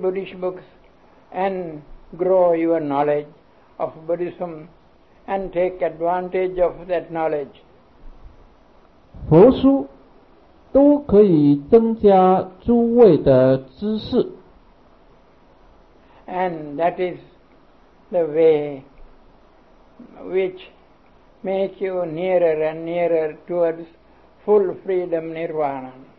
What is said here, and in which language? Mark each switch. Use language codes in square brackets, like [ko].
[en] Buddhist books and grow your knowledge of Buddhism and take advantage of that knowledge. [zh] 佛书 都可以增加诸位的知识。 [en] And that is the way which makes you nearer and nearer towards full freedom nirvana.